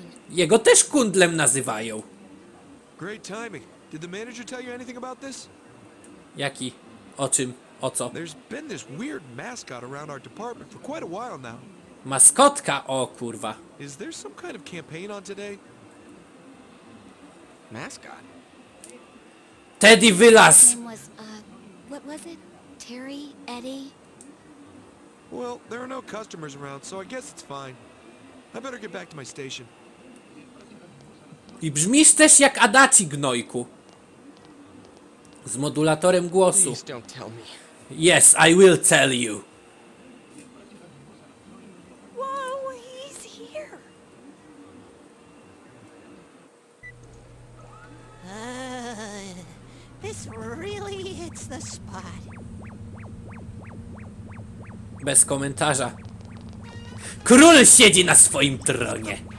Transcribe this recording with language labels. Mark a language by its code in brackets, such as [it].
[pl] Jego też kundlem nazywają. [en] Great timing. Did the manager tell you anything about this? [pl] Jaki? O czym? O co? [en] There's been this weird mascot around our department for quite a while now. [pl] Maskotka, o kurwa. [en] Is there some kind of campaign on today? Mascot. Teddy Villas. What was it? Terry, Eddie. Well, there are no customers around, so I guess it's fine. I better get back to my station. [pl] I brzmisz też jak Adachi, gnojku. Z modulatorem głosu. [en] Please don't tell me. Yes, I will tell you. Whoa, he's here. This really hits the spot. [pl] Bez komentarza. Król siedzi na swoim tronie.